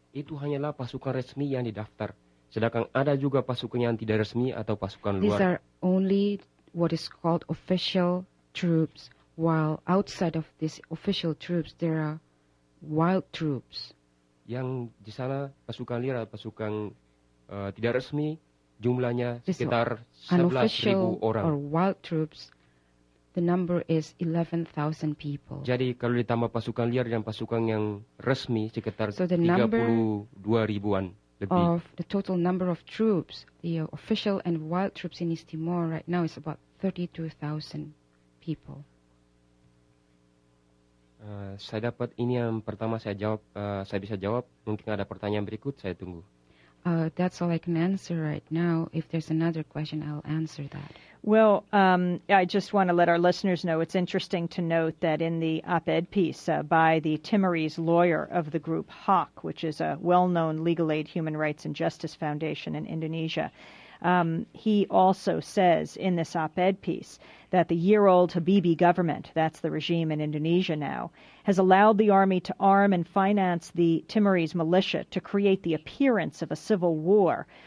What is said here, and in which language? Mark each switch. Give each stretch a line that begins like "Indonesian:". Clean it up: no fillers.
Indonesian: Itu hanyalah pasukan resmi yang didaftar. Sedangkan ada juga pasukan yang tidak resmi atau pasukan luar.
English: These are only what is called official troops. While outside of these official troops, there are wild troops.
Indonesian: Yang di sana pasukan liar atau pasukan tidak resmi, jumlahnya sekitar 11,000 orang.
English: Or wild troops, the number is 11,000 people.
Indonesian: Jadi kalau ditambah pasukan liar dan pasukan yang resmi sekitar 32,000-an lebih.
English: Of the total number of troops, the official and wild troops in East Timor right now is about 32,000 people.
Indonesian: Saya dapat ini yang pertama saya jawab, saya bisa jawab. Mungkin ada pertanyaan berikut, saya tunggu.
English: That's all I can answer right now. If there's another question, I'll answer that. Well, I just want to let our listeners know it's interesting to note that in the op-ed piece by the Timorese lawyer of the group HAWK, which is a well-known legal aid human rights and justice foundation in Indonesia, he also says in this op-ed piece that the year-old Habibie government, that's the regime in Indonesia now, has allowed the army to arm and finance the Timorese militia to create the appearance of a civil war.